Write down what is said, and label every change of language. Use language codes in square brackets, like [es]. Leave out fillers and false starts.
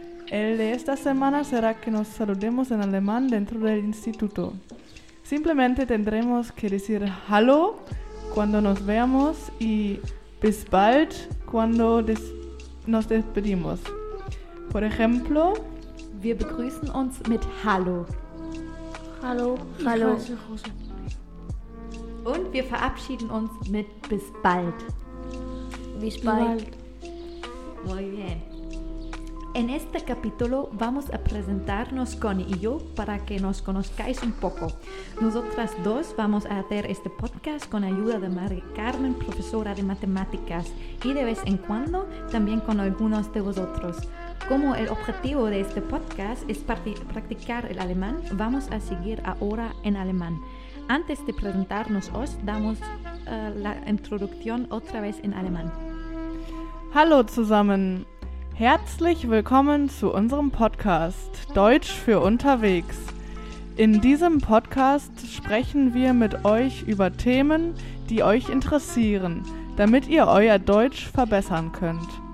[es] El de esta semana será que nos saludemos en alemán dentro del instituto. Simplemente tendremos que decir hallo cuando nos veamos y bis bald cuando nos despedimos. Por ejemplo, [de] wir begrüßen uns mit hallo. Hallo. Hallo. Und wir verabschieden uns mit bis bald. Bis bald. [es] Muy bien. En este capítulo vamos a presentarnos Connie y yo para que nos conozcáis un poco. Nosotras dos vamos a hacer este podcast con ayuda de María Carmen, profesora de matemáticas, y de vez en cuando también con algunos de vosotros. Como el objetivo de este podcast es practicar el alemán, vamos a seguir ahora en alemán. Antes de presentarnos, os damos la introducción otra vez en alemán. [de] Hallo zusammen. Herzlich willkommen zu unserem Podcast Deutsch für unterwegs. In diesem Podcast sprechen wir mit euch über Themen, die euch interessieren, damit ihr euer Deutsch verbessern könnt.